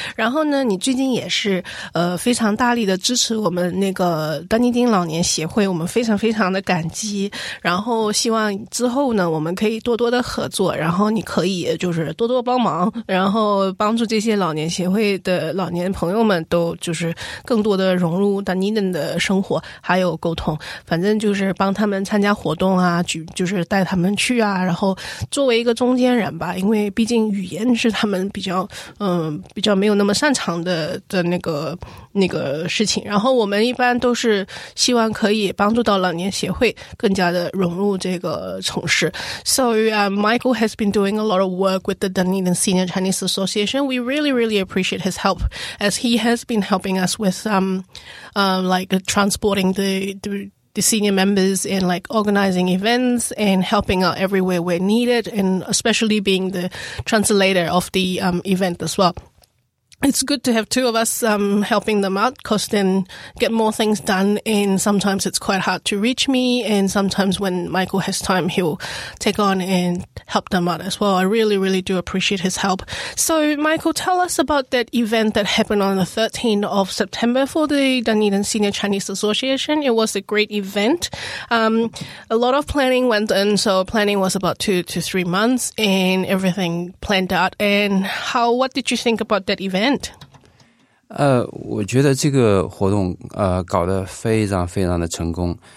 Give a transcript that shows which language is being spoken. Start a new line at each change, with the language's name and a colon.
Chinese: 然后呢你最近也是非常大力的支持我们那个丹尼丁老年协会，我们非常非常的感激，然后希望之后呢我们可以多多的合作，然后你可以就是多多帮忙，然后帮助这些老年协会的老年朋友们都就是更多的融入丹尼丁的生活还有沟通，反正就是帮他们参加活动啊，就是带他们去啊，然后作为一个中间人吧，因为毕竟语言是他们比较没有那么擅长的那个事情，然后我们一般都是希望可以帮助到老年协会更加的融入这个城市。
English: So Michael has been doing a lot of work with the Dunedin Senior Chinese Association. We really really appreciate his help as he has been helping us with like transporting the senior members and like organizing events and helping out everywhere where needed, and especially being the translator of the event as well. It's good to have two of us helping them out because then get more things done, and sometimes it's quite hard to reach me, and sometimes when Michael has time he'll take on and help them out as well. I really really do appreciate his help. So Michael, tell us about that event that happened on the 13th of September for the Dunedin Senior Chinese Association. It was a great event. A lot of planning went in, so planning was about 2 to 3 months and everything planned out. And what did you think about that event?
Chinese: 我觉得这个活动搞得非常非常的成功。